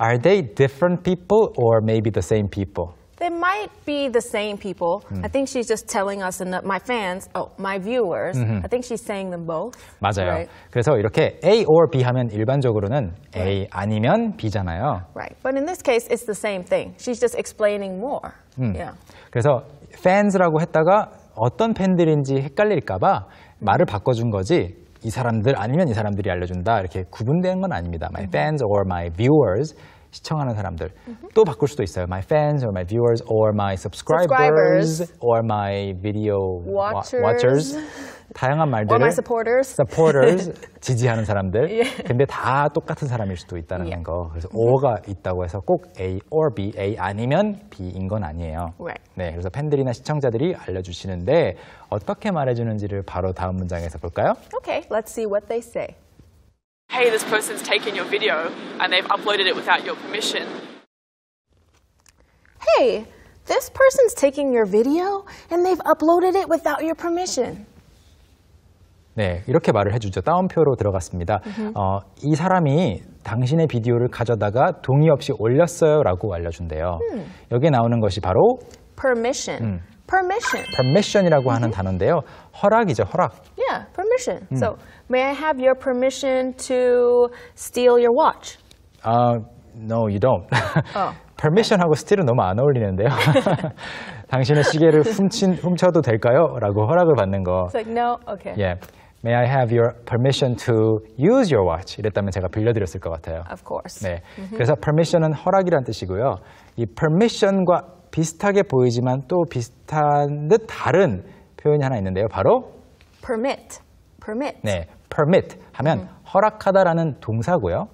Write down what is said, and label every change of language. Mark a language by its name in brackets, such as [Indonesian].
[English] Are they different people or maybe the same people? They might be the same people. I think she's just telling us and my fans, oh, my viewers. Mm-hmm. I think she's saying them both. [Korean] 맞아요. [English] Right? [Korean] 그래서 이렇게 A or B 하면 일반적으로는 A right. 아니면 B잖아요. [English] Right. But in this case, it's the same thing. She's just explaining more. Yeah. [Korean] 그래서 fans라고 했다가 어떤 팬들인지 헷갈릴까 봐 말을 바꿔준 거지 이 사람들 아니면 이 사람들이 알려준다 이렇게 구분된 건 아닙니다. [English] My fans or my viewers. [Korean] 시청하는 사람들 mm-hmm. 또 바꿀 수도 있어요. [English] My fans or my viewers or my subscribers or my video watchers [Korean] 다양한 말들 [English] or my supporters [Korean] supporters 지지하는 사람들 [English] yeah. [Korean] 근데 다 똑같은 사람일 수도 있다는 [English] yeah. [Korean] 거 그래서 mm-hmm. or가 있다고 해서 꼭 A or B A 아니면 B인 건 아니에요. [English] Right. [Korean] 네 그래서 팬들이나 시청자들이 알려주시는데 어떻게 말해주는지를 바로 다음 문장에서 볼까요? [English] Okay, let's see what they say. Hey, this person's taken your video and they've uploaded it without your permission. Hey, this person's taking your video and they've uploaded it without your permission. [Korean] 네, 이렇게 말을 해주죠. 따옴표로 들어갔습니다. Mm-hmm. 이 사람이 당신의 비디오를 가져다가 동의 없이 올렸어요 라고 알려준대요. Hmm. 여기에 나오는 것이 바로 [English] permission. Permission. [Korean] Permission이라고 하는 mm-hmm. 단어인데요. 허락이죠, 허락. [English] Yeah, permission. So, may I have your permission to steal your watch? No, you don't. [Korean] Permission하고 steal은 너무 안 어울리는데요. 당신의 시계를 훔쳐도 될까요? 라고 허락을 받는 거. [English] It's like, no, okay. Yeah. May I have your permission to use your watch? [Korean] 이랬다면 제가 빌려드렸을 것 같아요. [English] Of course. [Korean] 네. Mm-hmm. 그래서 permission은 허락이란 뜻이고요. 이 permission과 비슷하게 보이지만 또 비슷한 듯 다른 표현이 하나 있는데요. 바로 [English] permit. Permit. [Korean] 네. Permit 하면 mm-hmm. 허락하다라는 동사고요.